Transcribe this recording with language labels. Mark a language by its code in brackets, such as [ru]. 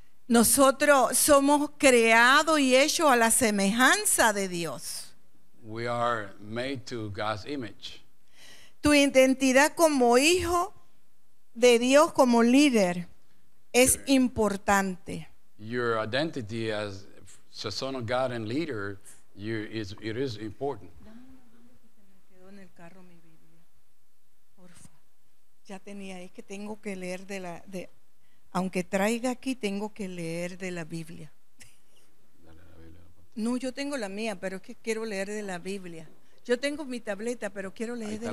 [es] Nosotros somos creados y hechos a la semejanza de Dios. [en] We are made to God's image. [es] Tu identidad como hijo de Dios, como líder, es importante. [en] Your identity as a son of God and leader, it is important. [es] Ya tenía, es que tengo que leer de la de, aunque traiga aquí, tengo que leer de la Biblia. Dale la Biblia. No, yo tengo la mía, pero es que quiero leer de la Biblia. Yo tengo mi tableta, pero quiero leer de